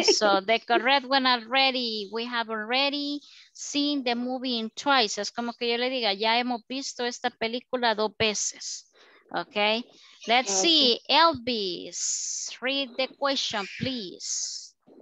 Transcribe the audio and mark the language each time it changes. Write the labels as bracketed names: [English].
[English] So the correct one already, we have already seen the movie twice. [Spanish] Es como que yo le diga, ya hemos visto esta película dos veces. [English] Okay, let's see, Elvis, read the question, please.